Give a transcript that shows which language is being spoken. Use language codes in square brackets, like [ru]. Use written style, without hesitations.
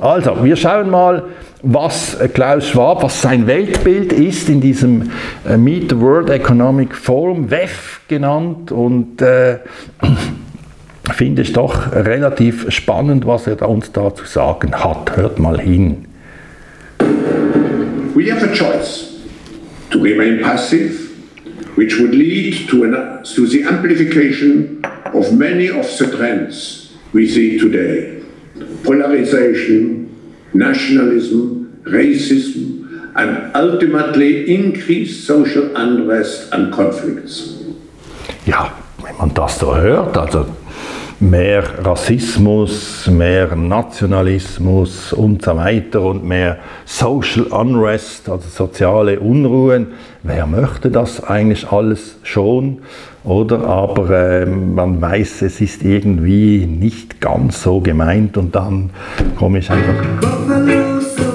[de] Also, wir schauen mal, was Klaus Schwab, was sein Weltbild ist in diesem Meet the World Economic Forum, WEF genannt. Und finde ich doch relativ spannend, was er uns da zu sagen hat. Hört mal hin. [en] We have a choice to remain passive, which would lead to the amplification of many of the trends we see today. Polarization, nationalism, racism, and ultimately increased social unrest and conflicts. [de] Ja, wenn man das so hört, also mehr Rassismus, mehr Nationalismus und so weiter und mehr Social Unrest, also soziale Unruhen. Wer möchte das eigentlich alles schon? Oder aber man weiß, es ist irgendwie nicht ganz so gemeint und dann komme ich einfach.